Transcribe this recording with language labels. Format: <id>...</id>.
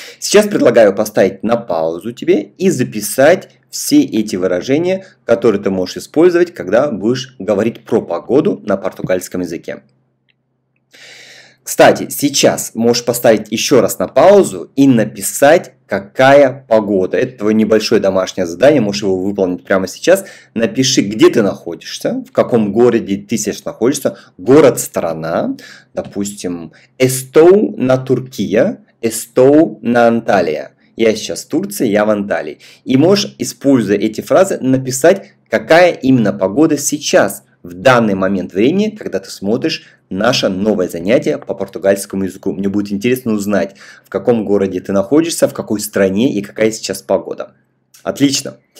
<ru>Сейчас предлагаю поставить на паузу тебе и записать все эти выражения, которые ты можешь использовать, когда будешь говорить про погоду на португальском языке. Кстати, сейчас можешь поставить еще раз на паузу и написать, какая погода. Это твое небольшое домашнее задание, можешь его выполнить прямо сейчас. Напиши, где ты находишься, в каком городе ты сейчас находишься. Город-страна, допустим,</ru> <pt>Estou na Turquia, Estou na Antalya.</pt> <ru>Я сейчас в Турции, я в Анталии. И можешь, используя эти фразы, написать, какая именно погода сейчас, в данный момент времени, когда ты смотришь наше новое занятие по португальскому языку. Мне будет интересно узнать, в каком городе ты находишься, в какой стране и какая сейчас погода. Отлично.</ru>